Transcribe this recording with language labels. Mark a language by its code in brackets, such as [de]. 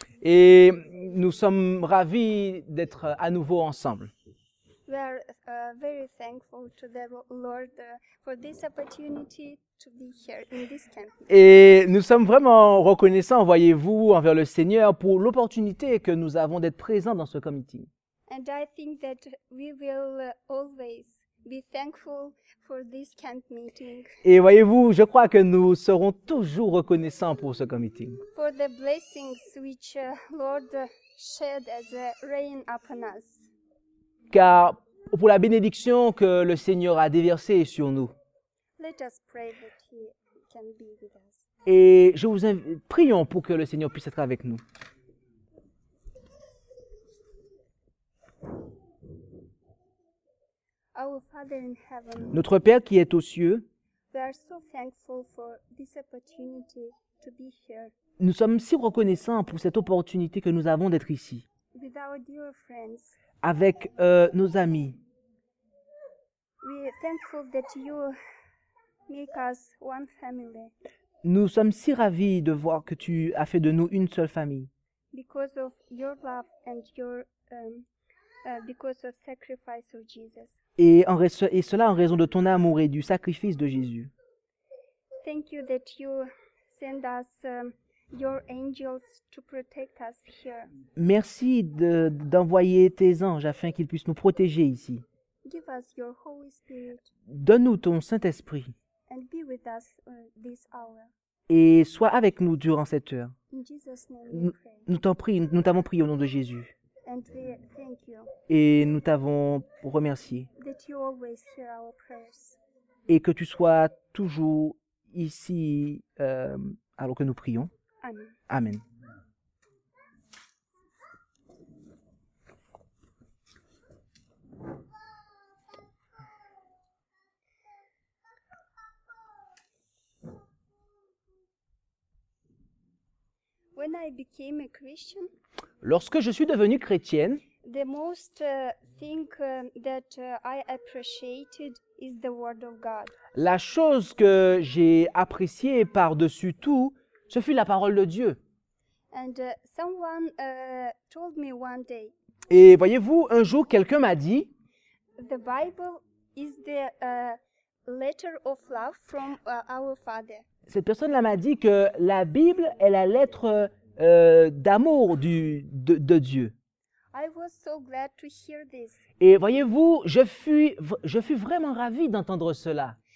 [fr] Et nous sommes ravis d'être à nouveau ensemble. [en] We are very thankful to the Lord for this opportunity to be here in this camp. [fr] Et nous sommes vraiment reconnaissants, voyez-vous, envers le Seigneur pour l'opportunité que nous avons d'être présents dans ce comité. [en] And I think that we will always be thankful for this camp meeting. [fr] Et voyez-vous, je crois que nous serons toujours reconnaissants pour ce comité. [en] For the blessings which Lord shed as a rain upon us. [fr] Car pour la bénédiction que le Seigneur a déversée sur nous. [en] Let us pray that he can be with us. [fr] Et je vous invite, prions pour que le Seigneur puisse être avec nous. [en] Our Father in heaven, [fr] notre Père qui est aux cieux, [en] we are so thankful for this opportunity to be here. [fr] Nous sommes si reconnaissants pour cette opportunité que nous avons d'être ici. [en] With our dear friends, [fr] avec nos amis. [en] We are thankful that you make us one family. [fr] Nous sommes si ravis de voir que tu as fait de nous une seule famille. [en] Because of your love and your because of sacrifice of Jesus. [fr] Et cela en raison de ton amour et du sacrifice de Jésus. [en] Thank you that you send us your angels to protect us here. [fr] Merci d'envoyer tes anges afin qu'ils puissent nous protéger ici. [en] Give us your Holy Spirit. [fr] Donne-nous ton Saint-Esprit. [en] And be with us this hour. [fr] Et sois avec nous durant cette heure. [en] In Jesus' name, [fr] nous t'en prie, nous t'avons prié au nom de Jésus. [en] And we thank you. [fr] Et nous t'avons remercié. [en] That you always hear our prayers. [fr] Et que tu sois toujours ici alors que nous prions. [en] Amen. When I became a Christian, [fr] lorsque je suis devenue chrétienne, [en] the most thing that I appreciated is the word of God. [fr] La chose que j'ai appréciée par-dessus tout, ce fut la parole de Dieu. [en] And someone told me one day. [fr] Et voyez-vous, un jour quelqu'un m'a dit, [en] the Bible is the letter of love from our Father. [fr] Cette personne-là m'a dit que la Bible est la lettre d'amour de Dieu. [en] I was so glad to hear this. [fr] Et voyez-vous, je fus vraiment ravi d'entendre cela.